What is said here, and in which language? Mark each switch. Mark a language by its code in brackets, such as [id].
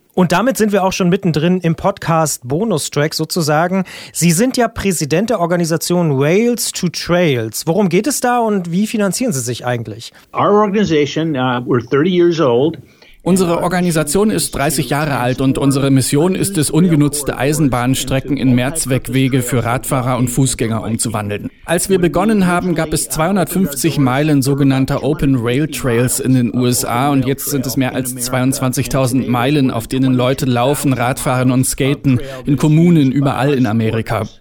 [de] Und damit sind wir auch schon mittendrin im Podcast Bonustrack sozusagen. Sie sind ja Präsident der Organisation Rails to Trails. Worum geht es da und wie finanzieren Sie sich eigentlich? [en] Our organization, we're 30 years old. [de] Unsere Organisation ist 30 Jahre alt und unsere Mission ist es, ungenutzte Eisenbahnstrecken in Mehrzweckwege für Radfahrer und Fußgänger umzuwandeln. Als wir begonnen haben, gab es 250 Meilen sogenannter Open Rail Trails in den USA und jetzt sind es mehr als 22.000 Meilen, auf denen Leute laufen, Radfahren und skaten, in Kommunen überall in Amerika.